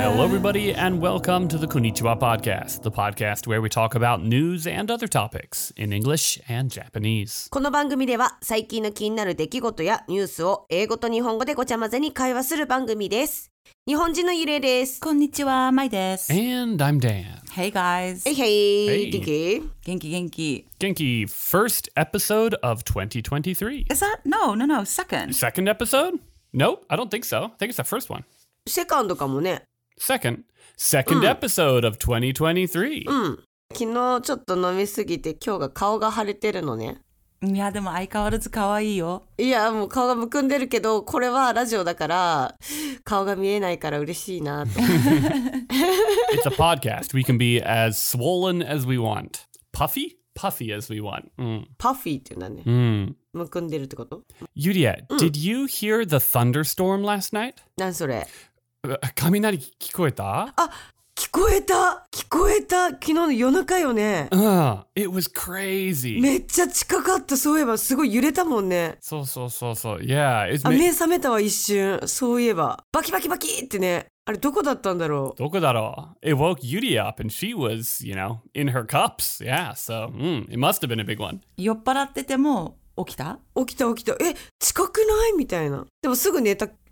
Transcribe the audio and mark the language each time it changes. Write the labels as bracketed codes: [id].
[en] Hello, everybody, and welcome to the Konnichiwa Podcast, the podcast where we talk about news and other topics in English and Japanese. [ja] この番組では最近の気になる出来事やニュースを英語と日本語でごちゃ混ぜに会話する番組です。日本人のゆれです。こんにちは、まいです。 [en] And I'm Dan. Hey guys. Hey, hey. Genki? [ja] Genki, genki. [en] Genki, first episode of 2023. Is that? No, second. Second episode? Nope, I don't think so. I think it's the first one. Second [ja] かもね。 [en] Second episode of 2023. [ja] 昨日ちょっと飲みすぎて今日が顔が腫れてるのね。いやでも相変わらず可愛いよ。いやもう顔がむくんでるけど、これはラジオだから顔が見えないから嬉しいなと。 [en] It's a podcast. We can be as swollen as we want. Puffy? Puffy as we want. [ja] Puffy って何ね。むくんでるってこと？ [en] Yuria, did you hear the thunderstorm last night? [ja] 何それ？雷聞こえた？聞こえた聞こえた昨日の夜中よね。 [en] It was crazy. [ja] めっちゃ近かった。そういえばすごい揺れたもんね。そうそうそうそう。 [en] Yeah. [ja] 目覚めたわ一瞬。そういえばバキバキバキってね。あれどこだったんだろう。どこだろう。 [en] It woke Yuri up and she was, you know, in her cups. Yeah. So, it must have been a big one. [ja] 酔っ払ってても起きた？起きた起きた。え、近くないみたいな。でもすぐ寝た。